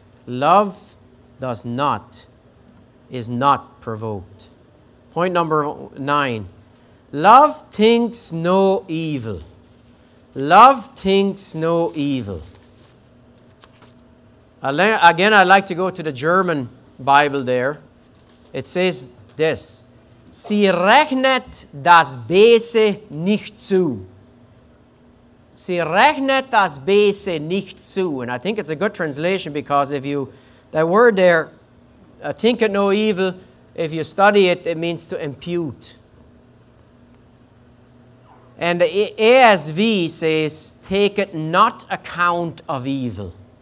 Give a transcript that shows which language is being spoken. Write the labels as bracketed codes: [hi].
[en] Love is not provoked. Point number 9. Love thinks no evil. Love thinks no evil. Again, I'd like to go to the German Bible there. It says this, [de] sie rechnet das Böse nicht zu. Sie rechnet das Böse nicht zu. [en] And I think it's a good translation because if you, that word there, think it no evil, if you study it, it means to impute. And the ASV says, take it not account of evil.